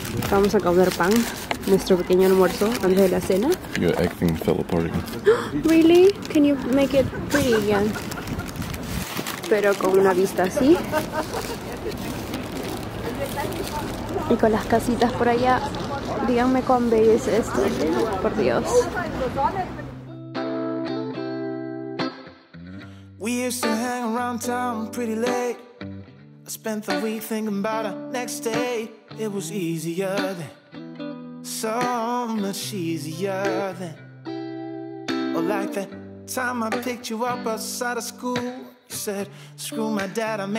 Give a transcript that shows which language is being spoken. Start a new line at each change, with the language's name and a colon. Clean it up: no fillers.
Spanish: Vamos a comer pan, nuestro pequeño almuerzo antes de la cena.
English: Your acting fell apart again. Really? Can you make it pretty again?
Spanish: Pero con una vista así. Y con las casitas por allá. Díganme cuán bello es esto, por Dios.
English: We used to hang around town pretty late. I spent the week thinking about her next day. It was easier then, so much easier then. Oh, like that time I picked you up outside of school. You said, screw my dad, I made